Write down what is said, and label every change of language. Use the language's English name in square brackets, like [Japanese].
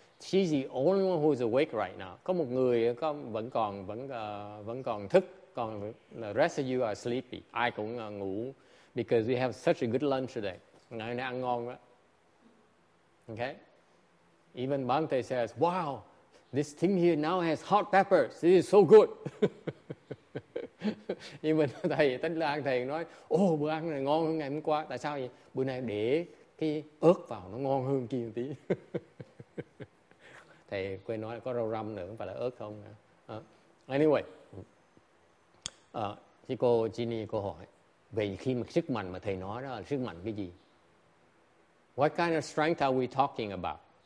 [English] She's the only one who is awake right now. [Vietnamese] Có một người vẫn còn thức, còn [English] the rest of you are sleepy. [Vietnamese] Ai cũng ngủ [English] because we have such a good lunch today. [Vietnamese] Ngày nay ăn ngon quá. Okay? [English] Even Bhante says, wow, this thing here now has hot peppers. This is so good. [Vietnamese] Even thầy, tính là thầy nói, oh, bữa ăn này ngon hơn ngày hôm qua. Tại sao vậy? Bữa nay để cái ớt vào nó ngon hơn kia một tí. Thầy quên nói là có rau răm nữa, không phải là ớt không. Anyway, Thì cô Ginny cô hỏi, vậy khi mà sức mạnh mà thầy nói đó là sức mạnh cái gì? [English] What kind of strength are we talking about?